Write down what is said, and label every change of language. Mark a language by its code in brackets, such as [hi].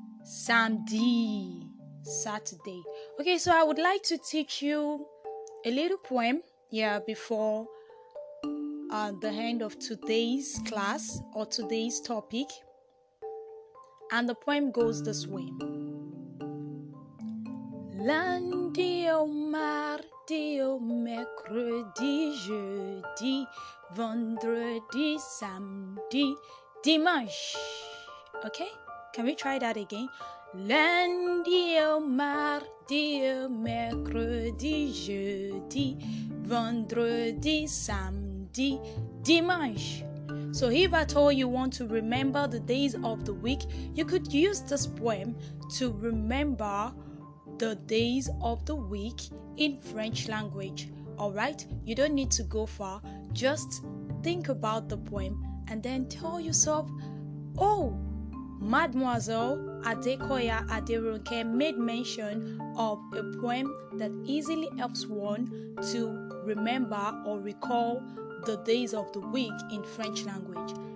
[fr] Samedi, Saturday. [en] Okay, so I would like to teach you a little poem before the end of today's class or today's topic. And the poem goes this way. [fr] Lundi au mardi au mercredi jeudi vendredi samedi dimanche. [en] Okay, can we try that again? [fr] Lundi au mardi au mercredi jeudi vendredi samedi dimanche. [en] So if at all you want to remember the days of the week, you could use this poem to remember the days of the week in French language. Alright, you don't need to go far. Just think about the poem and then tell yourself, oh, Mademoiselle Adekoya Aderonke made mention of a poem that easily helps one to remember or recall the days of the week in French language.